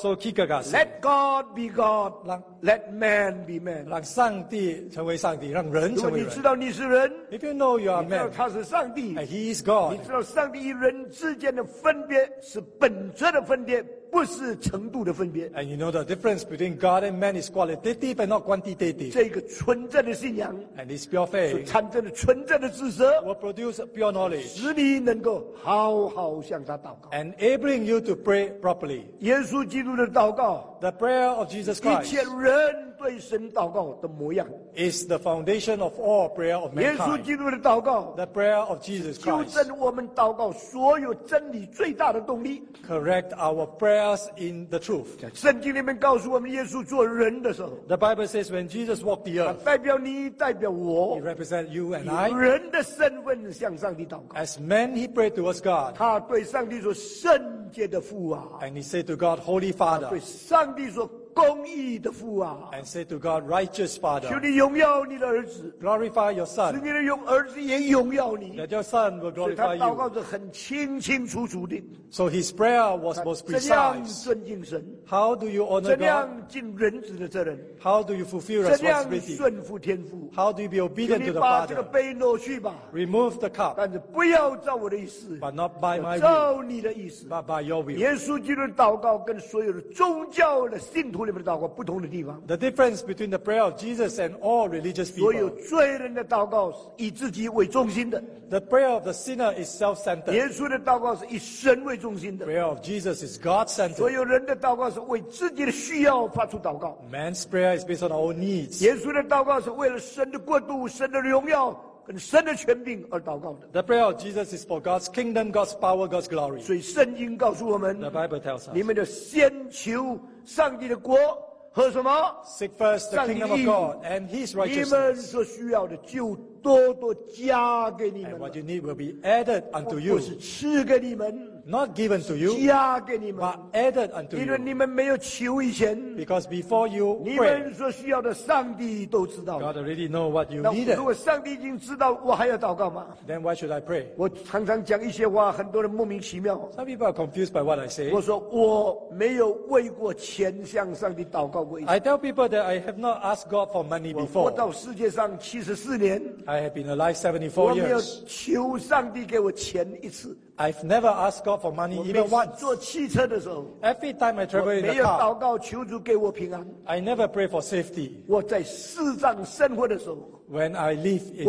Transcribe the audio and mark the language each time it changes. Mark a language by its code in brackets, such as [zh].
[en] So Kierkegaard said Let God be God Let man be man [zh] 让上帝成为上帝让人成为人如果你知道你是人 [en] If you know you are man [zh] 你知道他是上帝 [en] And he is God [zh] 你知道上帝与人之间的分别是本质的分别不是程度的分别 [en] And you know the difference between God and man is qualitative and not quantitative [zh] 这个纯正的信仰 [en] And it's pure faith [zh] 所产生的纯正的知识 [en] will produce pure knowledge [zh] 使你能够好好向他祷告 [en] And enabling you to pray properly [zh] 耶稣基督的祷告 [en] The prayer of Jesus Christ [zh] 一切人对神祷告的模样 [en] is the foundation of all prayer of mankind [zh] 耶稣基督的祷告 [en] the prayer of Jesus Christ [zh] 纠正我们祷告所有真理最大的动力 [en] correct our prayers in the truth [zh] 圣经里面告诉我们耶稣做人的时候 [en] the Bible says when Jesus walked the earth [zh] 代表你代表我 [en] he represents you and I [zh] 以人的身份向上帝祷告 [en] as man he prayed towards God [zh] 他对上帝说圣洁的父啊 [en] and he said to God Holy Father [zh] 对上帝说公义的父啊 [en] and say to God righteous father [zh] 求你荣耀你的儿子 [en] glorify your son [zh] 使你的儿子也荣耀你 [en] that your son will glorify you [zh] 所以他祷告是很清清楚楚的 [en] so his prayer was most precise [zh] 怎样尊敬神 [en] how do you honor God [zh] 怎样尽人子的责任 [en] how do you fulfill responsibility [zh] 怎样顺服天父 [en] how do you be obedient to the father [zh] 求你把这个杯挪去吧 [en] remove the cup [zh] 但是不要照我的意思 [en] but not by my will [zh] 照你的意思 [en] but by your will [zh] 耶稣基督的祷告跟所有的宗教的信徒徒里面的祷告不同的地方。 [en] The difference between the prayer of Jesus and all religious people. [zh] 所有罪人的祷告是以自己为中心的。 [en] The prayer of the sinner is self-centered. [zh] 耶稣的祷告是以神为中心的。 [en] Prayer of Jesus is God-centered. [zh] 所有人的祷告是为自己的需要发出祷告。 [en] Man's prayer is based on our needs. [zh] 耶稣的祷告是为了神的国度、神的荣耀。跟神的权柄而祷告的。 [en] The prayer of Jesus is for God's kingdom, God's power, God's glory. [zh] 所以圣经告诉我们 [en] ，The Bible tells us, [zh] 你们要先求上帝的国和什么 [en] ？Seek first the kingdom of God and His righteousness. [zh] 你们所需要的就多多加给你们。 [en] And what you need will be added unto you. [zh] 不是赐给你们 [en] ，Not given to you. [zh] 加给你们 [en] ，But added unto you. [zh] 因为你们没有求以前 [en] ，Because before you pray, [zh] 你们所需要的上帝都知道。 [en] God already know what you needed. [zh] 那如果上帝已经知道，我还要祷告吗 [en] ？Then why should I pray? [zh] 我常常讲一些话，很多人莫名其妙。 [en] Some people are confused by what I say. [zh] 我说我没有为过钱向上帝祷告过一次。 [en] I tell people that I have not asked God for money before. [zh] 我到世界上74年。 [en] I have been alive 74 years. [zh] 我没有求上帝给我钱一次。 [en] I've never asked God for money even once. [zh] 坐汽车的时候 [en] ，Every time I travel in a car, [zh] 我没有祷告求主给我平安。 [en] I never pray for safety. [zh] 我在世上生活的时候 [en] ，When I live in my life,